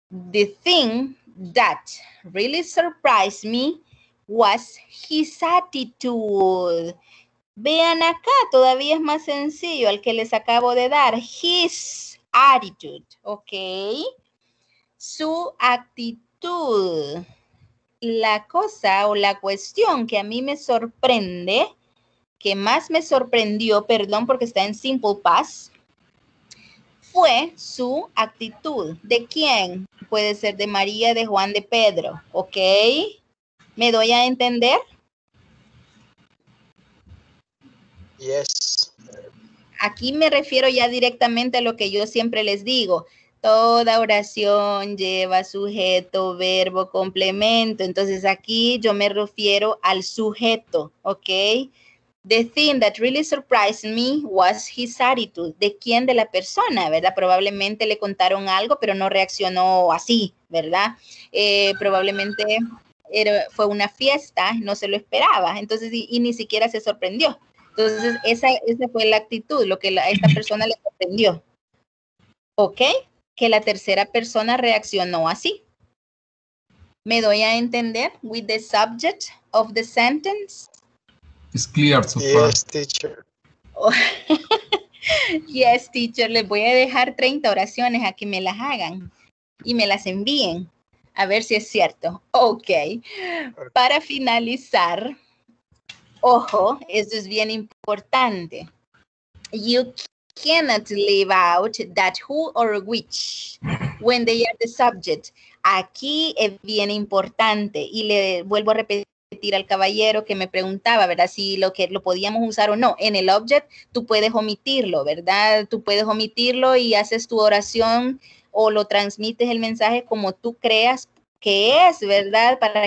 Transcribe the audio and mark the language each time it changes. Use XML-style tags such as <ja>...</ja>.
<en>The thing that really surprised me was his attitude.</en> <es>Vean acá, todavía es más sencillo al que les acabo de dar.</es> <en>His attitude,</en> <es>¿ok? Su actitud. La cosa o la cuestión que a mí me sorprende, que más me sorprendió, perdón porque está en simple past, fue su actitud. ¿De quién? Puede ser de María, de Juan, de Pedro. ¿Ok? ¿Me doy a entender?</es> <en>Yes.</en> <es>Aquí me refiero ya directamente a lo que yo siempre les digo. Toda oración lleva sujeto, verbo, complemento. Entonces aquí yo me refiero al sujeto. ¿Ok?</es> <en>The thing that really surprised me was his attitude.</en> <es>¿De quién? De la persona, ¿verdad? Probablemente le contaron algo, pero no reaccionó así, ¿verdad? Probablemente fue una fiesta, no se lo esperaba. Entonces, y ni siquiera se sorprendió. Entonces, esa fue la actitud, lo que a esta persona le sorprendió. ¿Ok? Que la tercera persona reaccionó así. ¿Me doy a entender?</es> <en>With the subject of the sentence. It's clear so far. Yes, teacher. Oh, yes, teacher.</en> <es>Les voy a dejar 30 oraciones a que me las hagan y me las envíen. A ver si es cierto. Okay. Para finalizar, ojo, esto es bien importante.</es> <en>You cannot leave out that who or which when they are the subject.</en> <es>Aquí es bien importante y le vuelvo a repetir al caballero que me preguntaba, ¿verdad? Si lo podíamos usar o no. En el object, tú puedes omitirlo, ¿verdad? Tú puedes omitirlo y haces tu oración o lo transmites el mensaje como tú creas que es, ¿verdad?</es>